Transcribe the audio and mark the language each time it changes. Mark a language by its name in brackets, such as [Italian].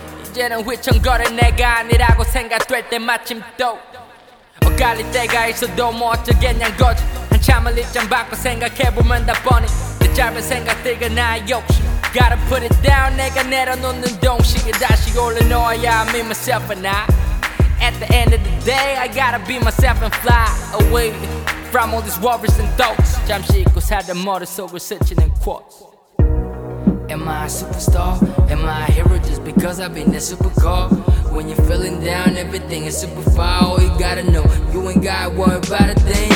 [Korean] 이제는 휘청거릴 내가 아니라고 생각될 때 마침 또 엇갈릴 때가 있어도 뭐 어쩌겠냔 거지. 한참을 입장 바꿔 생각해보면 다 뻔히 내 짧은 생각들과 나의 욕심. [English] Gotta put it down. [Korean] 내가 내려놓는 동시에 다시 올려놓아야 [English] I'm in myself and I. At the end of the day I gotta be myself and fly away from all these worries and thoughts. [Korean] 잠시 잊고 살던 머릿속을 스치는 quotes. [English] Am I a superstar? Am I a hero just because I've been a supercar? When you're feeling down, everything is super far. All you gotta know, you ain't gotta worry about a thing.